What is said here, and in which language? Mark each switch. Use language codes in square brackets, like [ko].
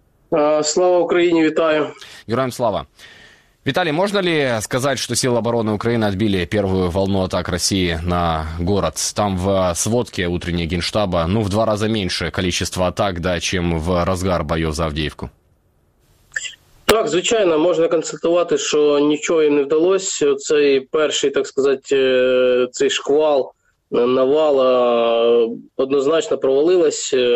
[ru] Слава Украине, [uk] витаю. [ru] Героям слава. Виталий, можно ли сказать, что силы обороны Украины отбили первую волну атак России на город? Там в сводке утренней генштаба, в два раза меньше количество атак, да, чем в разгар боев за Авдеевку. [uk] Так, звичайно, можна констатувати, що нічого їм не вдалося. Цей перший, так сказати, цей шквал навала однозначно провалилась.